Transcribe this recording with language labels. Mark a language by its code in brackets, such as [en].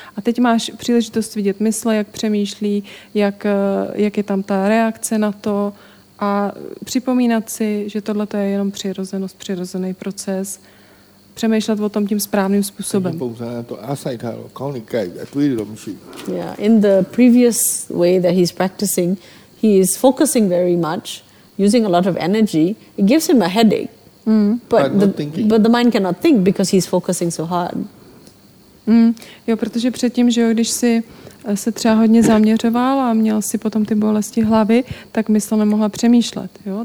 [cs] A teď máš příležitost vidět mysle, jak přemýšlí, jak je tam ta reakce na to a připomínat si, že tohle je jenom přirozenost, přirozený proces. Přemýšlet o tom tím správným způsobem. [en] Yeah, in the previous way that he's practicing, he is focusing very much, using a lot of energy. It gives him a headache, but the mind cannot think because he's focusing so hard. [cs] Jo, protože předtím, že jo, když si se třeba hodně zaměřoval a měl si potom ty bolesti hlavy, tak mysl nemohla přemýšlet, jo?